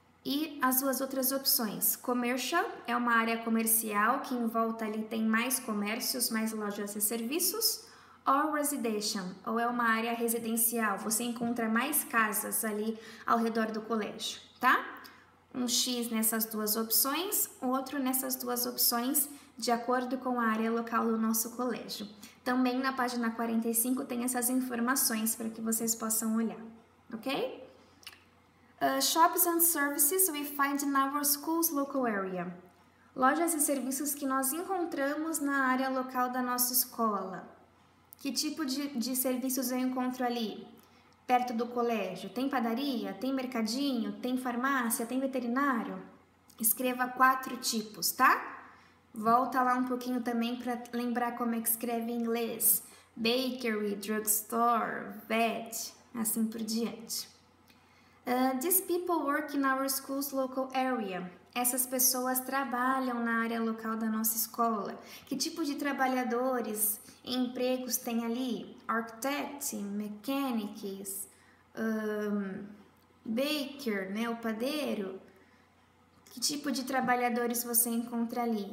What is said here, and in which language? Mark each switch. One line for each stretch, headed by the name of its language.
Portuguese: E as duas outras opções, commercial, é uma área comercial que em volta ali tem mais comércios, mais lojas e serviços,
English: or residential,
Portuguese: ou é uma área residencial, você encontra mais casas ali ao redor do colégio, tá? Um X nessas duas opções, outro nessas duas opções, de acordo com a área local do nosso colégio. Também na página 45 tem essas informações para que vocês possam olhar, ok?
English: Shops and services we find in our school's local area.
Portuguese: Lojas e serviços que nós encontramos na área local da nossa escola. Que tipo de serviços eu encontro ali? Perto do colégio? Tem padaria? Tem mercadinho? Tem farmácia? Tem veterinário? Escreva quatro tipos, tá? Volta lá um pouquinho também para lembrar como é que escreve em inglês. Bakery, drugstore, vet, assim por diante.
English: These people work in our school's local area.
Portuguese: Essas pessoas trabalham na área local da nossa escola. Que tipo de trabalhadores e empregos tem ali? Architects, mechanics, baker, né, o padeiro. Que tipo de trabalhadores você encontra ali?